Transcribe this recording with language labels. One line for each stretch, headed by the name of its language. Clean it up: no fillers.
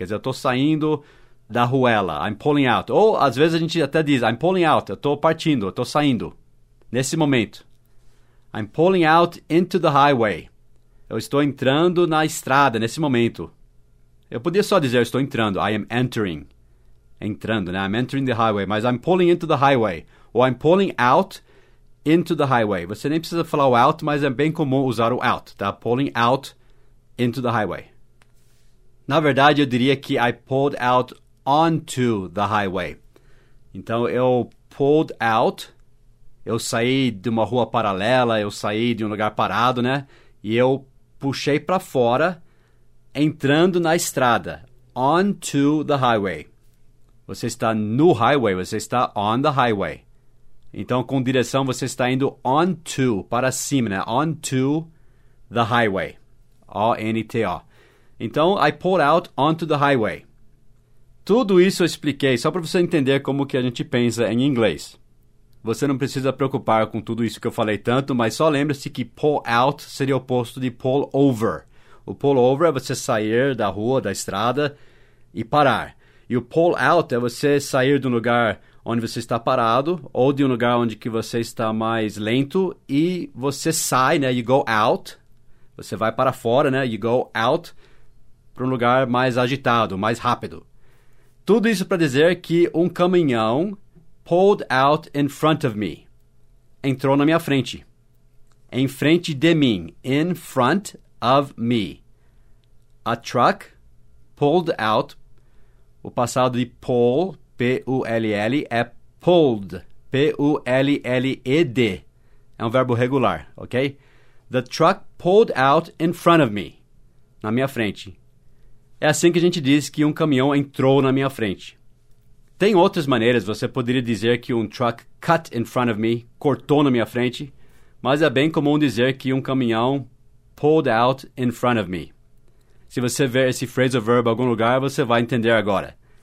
Portuguese: Quer dizer, eu estou saindo da ruela.
English: I'm pulling out.
Portuguese: Ou, às vezes, a gente até diz, I'm pulling out. Eu estou partindo, eu estou saindo. Nesse momento.
English: I'm pulling out into the highway.
Portuguese: Eu estou entrando na estrada, nesse momento. Eu podia só dizer, eu estou entrando.
English: I am entering.
Portuguese: Entrando, né?
English: I'm entering the highway. Mas I'm pulling into the highway. Ou I'm pulling out into the highway.
Portuguese: Você nem precisa falar o out, mas é bem comum usar o out.
English: Tá? Pulling out. Into the highway.
Portuguese: Na verdade, eu diria que
English: I pulled out onto the highway.
Portuguese: Então, eu pulled out. Eu saí de uma rua paralela. Eu saí de lugar parado, né? E eu puxei para fora, entrando na estrada.
English: Onto the highway.
Portuguese: Você está no highway. Você está
English: on the highway.
Portuguese: Então, com direção, você está indo onto, para cima, né?
English: Onto the highway. O-N-T-O. Então, I pulled out onto the highway.
Portuguese: Tudo isso eu expliquei só para você entender como que a gente pensa em inglês. Você não precisa preocupar com tudo isso que eu falei tanto, mas só lembre-se que pull out seria o oposto de pull over. O pull over é você sair da rua, da estrada e parar. E o pull out é você sair de lugar onde você está parado ou de lugar onde que você está mais lento e você sai, né?
English: You go out.
Portuguese: Você vai para fora, né?
English: You go out
Portuguese: para lugar mais agitado, mais rápido. Tudo isso para dizer que caminhão
English: pulled out in front of me.
Portuguese: Entrou na minha frente. Em frente de mim.
English: In front of me. A truck pulled out.
Portuguese: O passado de pull, P-U-L-L, é pulled. P-U-L-L-E-D. É verbo regular, ok?
English: The truck pulled out in front of me.
Portuguese: Na minha frente. É assim que a gente diz que caminhão entrou na minha frente. Tem outras maneiras. Você poderia dizer que
English: truck cut in front of me.
Portuguese: Cortou na minha frente. Mas é bem comum dizer que caminhão
English: pulled out in front of me.
Portuguese: Se você ver esse phrasal verb em algum lugar, você vai entender agora.